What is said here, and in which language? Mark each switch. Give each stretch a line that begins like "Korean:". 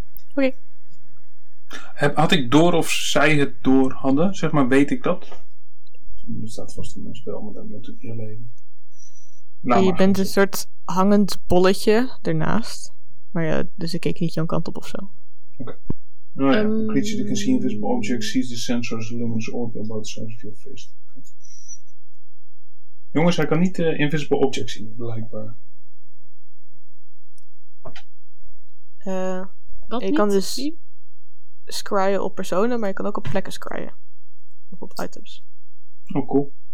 Dutch: Oké.
English: Okay.
Dutch: Had ik door of zij het door hadden? Zeg maar, weet ik dat? Er staat vast in mijn spel, maar dat moet ik niet alleen. Nou, je bent een soort hangend bolletje ernaast. Maar ja, dus ik keek niet jouw kant op of zo. Oké.
English: Okay.
Dutch: Nou ja,
English: a creature that can see invisible objects sees the sensors luminous orb about the size of your fist. Okay.
Dutch: Jongens, hij kan niet
English: invisible objects
Dutch: zien, blijkbaar. Je kan dus scryen op personen, maar je kan ook op plekken scryen. Of op items. Oh, cool.